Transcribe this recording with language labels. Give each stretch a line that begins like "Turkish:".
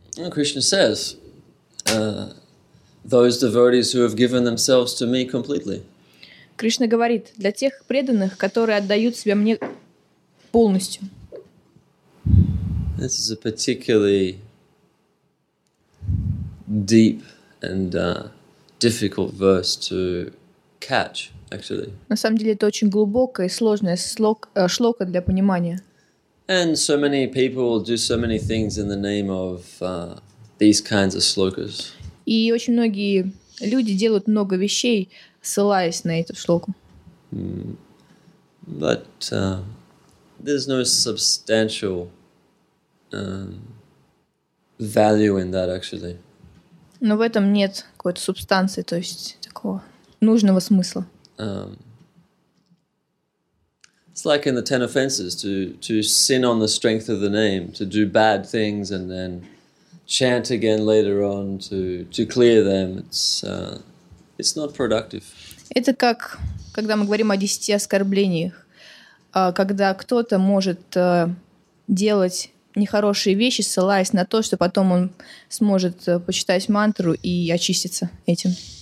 English: Krishna says, those devotees who have given themselves to me completely.
Russian: Krishna говорит, для тех преданных, которые отдают себя мне полностью.
English: This is a particularly deep and difficult verse to catch. Actually.
Russian: На самом деле это очень глубокая и сложная шлока для понимания.
English: And so many people do so many things in the name of these kinds of slokas.
Russian: И очень многие люди делают много вещей, ссылаясь на эту шлоку.
English: But there's no substantial value in that actually.
Russian: Но в этом нет какой-то субстанции, то есть такого нужного смысла.
English: It's like in the ten offenses to sin on the strength of the name, to do bad things and then chant again later on to clear them. It's not productive.
Russian: Это как когда мы говорим о десяти оскорблениях, когда кто-то может делать нехорошие вещи, ссылаясь на то, что потом он сможет почитать мантру и очиститься этим.